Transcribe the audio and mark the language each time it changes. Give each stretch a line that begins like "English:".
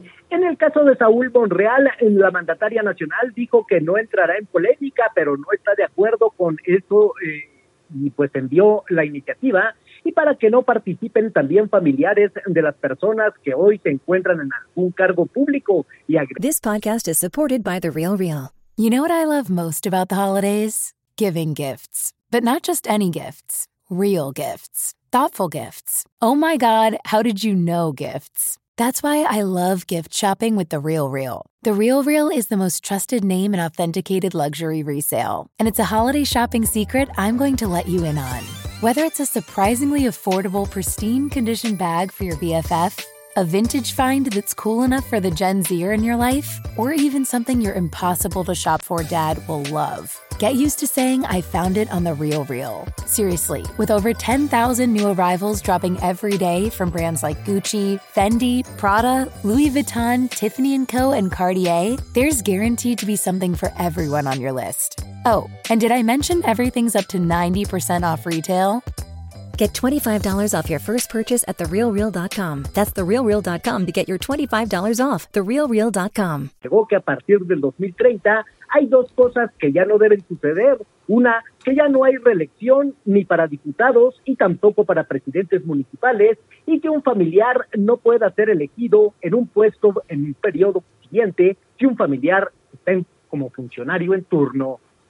Spanish: En el caso de Saúl Monreal, la mandataria nacional dijo que no entrará en polémica, pero no está de acuerdo con eso, y pues envió la iniciativa. Y para que no participen también familiares de las personas que hoy se encuentran en algún cargo público.
English: This podcast is supported by The Real Real. You know what I love most about the holidays? Giving gifts. But not just any gifts. Real gifts. Thoughtful gifts. Oh my God, how did you know gifts? That's why I love gift shopping with The Real Real. The Real Real is the most trusted name in authenticated luxury resale. And it's a holiday shopping secret I'm going to let you in on. Whether it's a surprisingly affordable, pristine condition bag for your BFF, a vintage find that's cool enough for the Gen Zer in your life, or even something your impossible to shop for dad will love. Get used to saying, I found it on The Real Real. Seriously, with over 10,000 new arrivals dropping every day from brands like Gucci, Fendi, Prada, Louis Vuitton, Tiffany & Co., and Cartier, there's guaranteed to be something for everyone on your list. Oh, and did I mention everything's up to 90% off retail? Get $25 off your first purchase at TheRealReal.com. That's TheRealReal.com to get your $25 off. TheRealReal.com.
Spanish: Llegó que a partir del 2030 hay dos cosas que ya no deben suceder. Una, que ya no hay reelección ni para diputados y tampoco para presidentes municipales, y que un familiar no pueda ser elegido en un puesto en el periodo siguiente si un familiar está como funcionario en turno.